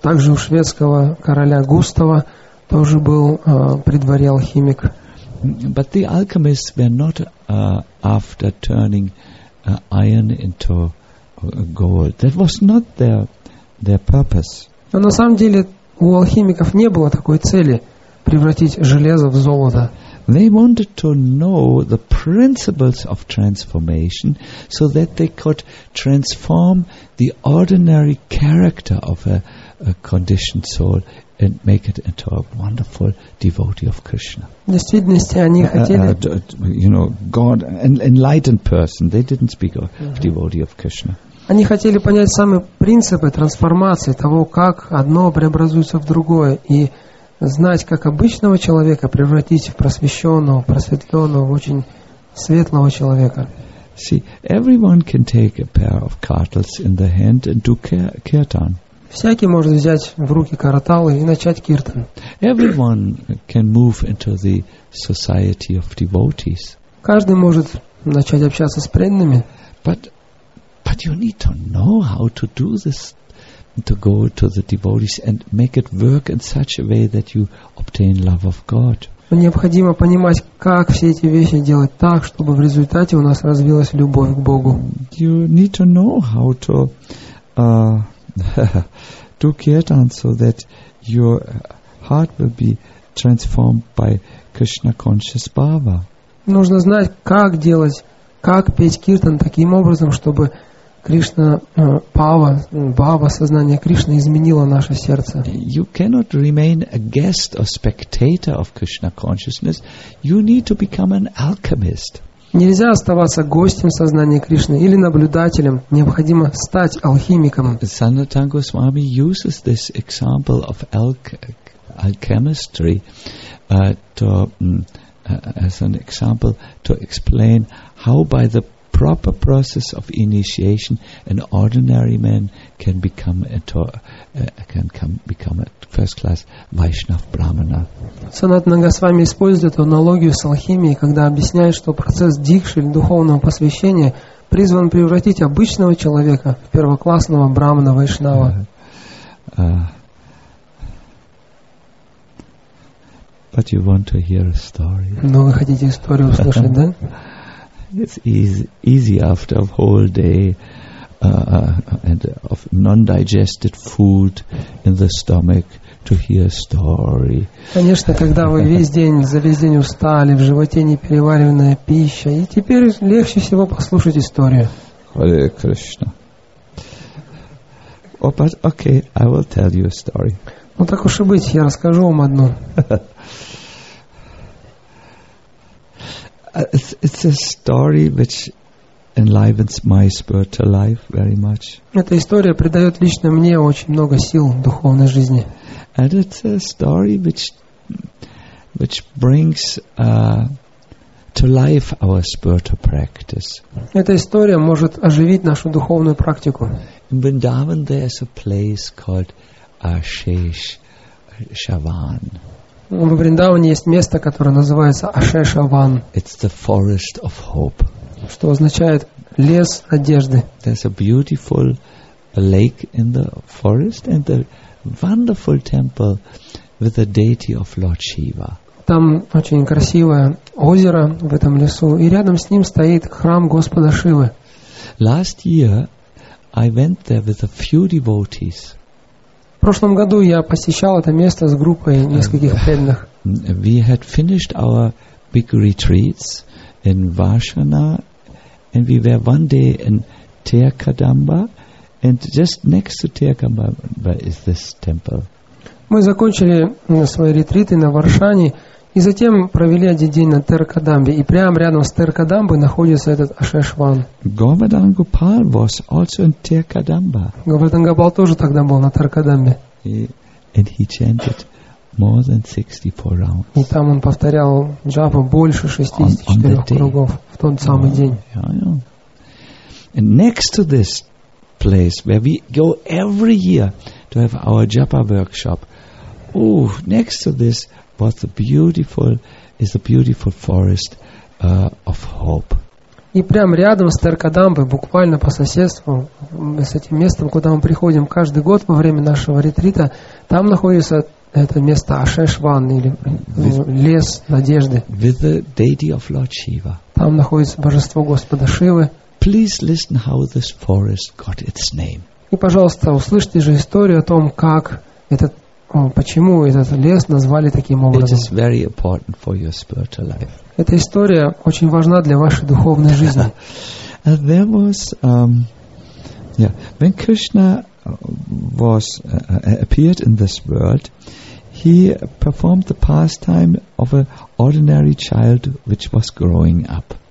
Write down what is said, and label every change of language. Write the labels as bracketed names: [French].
[Russian] Также у шведского короля Густава тоже был при дворе алхимик. [English] But the alchemists were not after turning iron into gold. That was not their purpose. [Russian] Но на самом деле у алхимиков не было такой цели, превратить железо в золото. [English] They wanted to know the principles of transformation so that they could transform the ordinary character of a conditioned soul and make it into a wonderful devotee of Krishna. God, an enlightened person. They didn't speak of devotee of Krishna. [Russian] Они хотели понять самые принципы трансформации, того, как одно преобразуется в другое, и знать, как обычного человека превратить в просвещенного, просветленного, в очень светлого человека. [English] See, everyone can take a pair of kirtles in the hand and do kirtan. [Russian] Всякий может взять в руки караталы и начать киртан. [English] Everyone can move into the society of devotees. [Russian] Каждый может начать общаться с преданными. [English] But you need to know how to do this, to go to the devotees and make it work in such a way that you obtain love of God. [Russian] Необходимо понимать, как все эти вещи делать так, чтобы в результате у нас развилась любовь к Богу. [English] You need to know how to do kirtan so that your heart will be transformed by Krishna conscious bhava. [Russian] Нужно знать, как делать, как петь киртан таким образом, чтобы Кришна, Пава, Бхава, сознание Кришны изменило наше сердце. [English] You cannot remain a guest or spectator of Krishna consciousness. You need to become an alchemist. [Russian] Нельзя оставаться гостем сознания Кришны или наблюдателем. Необходимо стать алхимиком. [English] Sanatana Goswami uses this example of alchemistry as an example to explain how by the proper process of initiation, an ordinary man can become a first-class Vaishnav Brahmana. [Russian] Sanatana Goswami использует аналогию с алхимией, когда объясняет, что процесс дикши или духовного посвящения призван превратить обычного человека в первоклассного брахмана вайшнава. [English] But you want to hear a story. [Russian] Но вы хотите историю услышать, да? [English] It's easy after a whole day and of non-digested food in the stomach to hear a story. [Russian] Конечно, когда вы весь день за весь день устали, в животе непереваренная пища, и теперь легче всего послушать историю. [English] Hare Krishna. Oh, but okay, I will tell you a story. [Russian] Ну так уж и быть, я расскажу вам одну. [English] It's a story which enlivens my spiritual life very much. [Russian] Эта история придает лично мне очень много сил в духовной жизни. [English] And it's a story which brings to life our spiritual practice. [Russian] Эта история может оживить нашу духовную практику. [English] In Vrindavan there is a place called Ashesh Shavan. [Russian] В Вриндаване есть место, которое называется Ашешаван. [English] It's the forest of hope. [Russian] Что означает лес надежды. [English] There's a beautiful lake in the forest and a wonderful temple with the deity of Lord Shiva. [Russian] Там очень красивое озеро в этом лесу, и рядом с ним стоит храм Господа Шивы. [English] Last year I went there with a few devotees. [Russian] В прошлом году я посещал это место с группой нескольких преданных. [English] We had finished our big retreats in Vashana, and we were one day in Teyakadamba, and just next to Teyakadamba is this temple. [Russian] Мы закончили свои ретриты на Варшане, и затем провели один день на Теркадамбе, и прямо рядом с Теркадамбой находится этот Ашешван. [English] Govardhan Gopal was also in Teyakadamba. [Russian] Govardhan Gopal тоже тогда был на Теркадамбе. [English] And he chanted more than 64 rounds. [Russian] И там он повторял джапу больше 64 кругов в тот самый день. [English] And next to this place where we go every year to have our japa workshop. Next to this was the beautiful forest of hope. [Russian] И прямо рядом с Теркадамбой, буквально по соседству, с этим местом, куда мы приходим каждый год во время нашего ретрита, там находится это место Ашешван, или лес надежды. [English] With the deity of Lord Shiva. [Russian] Там находится божество Господа Шивы. [English] Please listen how this forest got its name. [Russian] И, пожалуйста, услышьте же историю о том, как этот почему этот лес назвали таким образом. [English] It is very important for your spiritual life. [Russian] Эта история очень важна для вашей духовной жизни. [English] And there was, when Krishna was appeared in this world, he performed the pastime of an ordinary child which was growing up.